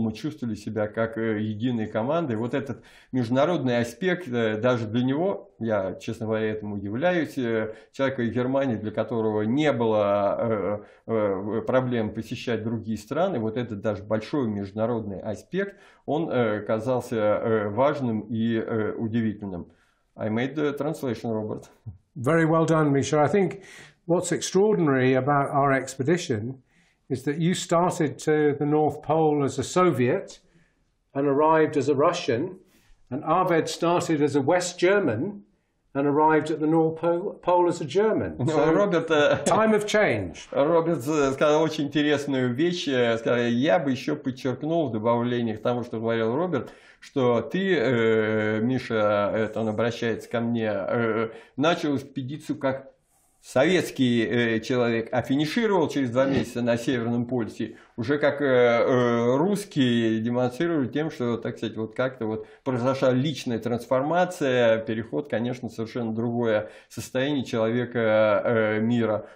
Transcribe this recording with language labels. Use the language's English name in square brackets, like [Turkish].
[Russian] Мы чувствовали себя как единой командой. Вот этот международный аспект, даже для него, я, честно говоря, этому удивляюсь, человека из Германии, для которого не было проблем посещать другие страны, вот этот даже большой международный аспект, он казался важным и удивительным. [English] I made the translation, Robert. Very well done, Misha. I think what's extraordinary about our expedition is that you started to the North Pole as a Soviet and arrived as a Russian, and Arvid started as a West German and arrived at the North Pole as a German. So, Robert, time of change. [Russian] Robert сказал очень интересную вещь. Я бы еще подчеркнул в добавлении к тому, что говорил Роберт, что ты, Миша, это он обращается ко мне, начал экспедицию как советский человек, а финишировал через два месяца на Северном полюсе, уже как русский демонстрирует тем, что, так сказать, вот как-то вот произошла личная трансформация, переход, конечно, совершенно другое состояние человека мира.